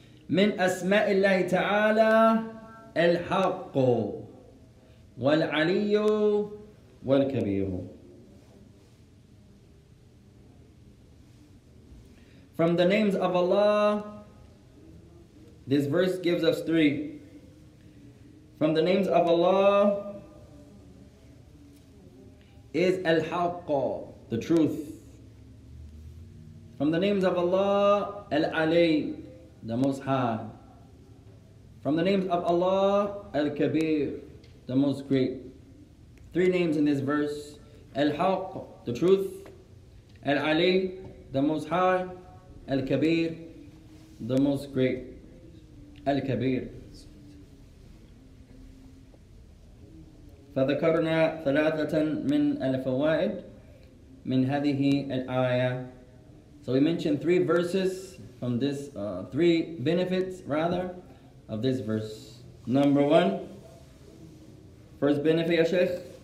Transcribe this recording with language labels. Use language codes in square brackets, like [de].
[ar] من أسماء الله تعالى الحق والعلي والكبير. [en] From the names of Allah, this verse gives us three. From the names of Allah is Al-Haqq, the truth. From the names of Allah, Al-Ali, the Most High. From the names of Allah, Al-Kabir, the Most Great. Three names in this verse: Al-Haqq, the truth; Al-Ali, the Most High; Al-Kabir, the Most Great. Al-Kabir. [ar] فذكرنا ثلاثة من الفوائد من هذه الآية. [en] So we mentioned three verses from this, three benefits rather, of this verse. Number one, first benefit, [ar] يا شيخ.